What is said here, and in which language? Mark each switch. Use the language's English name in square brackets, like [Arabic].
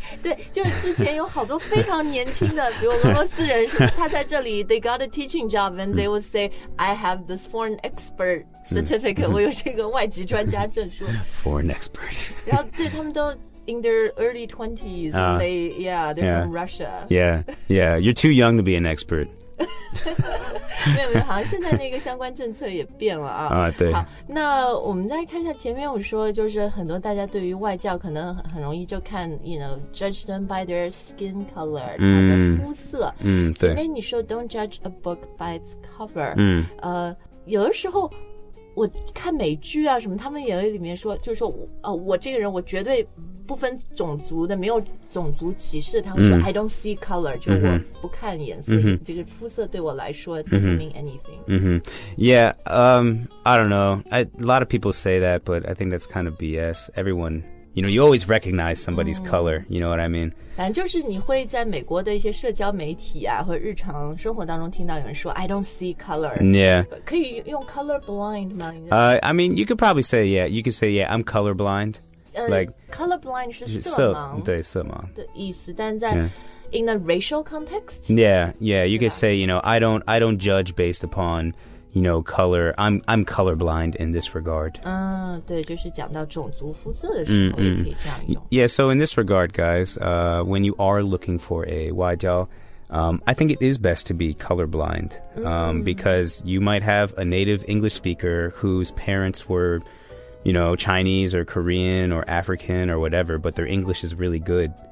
[Chinese] 对就之前有好多非常年轻的比如俄罗斯人是他在这里 [English] they got a teaching job and they would say I have this foreign expert certificate [Chinese] 我有这个外籍专家证书 [English] foreign expert [Chinese] 然后对他们都 [English] In their early 20s, they're from Russia. Yeah, yeah, you're too young to be an expert. [Chinese] 没有没有，好像现在那个相关政策也变了啊。啊，对。好，那我们再看一下前面我说，就是很多大家对于外教可能很容易就看 ， [English] you know, judge them by their skin color, [Chinese] 他的肤色。嗯，对。前面你说 [English] don't judge a book by its cover. [Chinese] 嗯。有的时候。我看美剧啊什么他们也里面说就是说、我这个人我绝对不分种族的没有种族歧视他们说、 [English] I don't see color [Chinese] 就我不看颜色、 mm-hmm. 这个肤色对我来说 [English] doesn't mean anything、 mm-hmm. Yeah, I don't know a lot of people say that but I think that's kind of BS Everyone, you know, you always recognize somebody's color You know what I mean [Chinese] 反正就是你会在美国的一些社交媒体啊或日常生活当中听到有人说 [English] I don't see color Yeah [Chinese] 可以用 color blind 吗、 [English] I mean, you could probably say yeah You could say yeah, I'm color blind Like color blind 是 [Chinese] 色盲对色盲的意思但在、 [English] in a racial context Yeah, yeah, you could say You know, I don't judge based upon You know, color I'm color blind in this regard [Chinese] 对就是讲到种族肤色的时候也可以这样用 [English] Yeah, so in this regard, guys when you are looking for a 外教I think it is best to be colorblind because you might have a native English speaker whose parents were you know, Chinese or Korean or African or whatever, but their English is really good.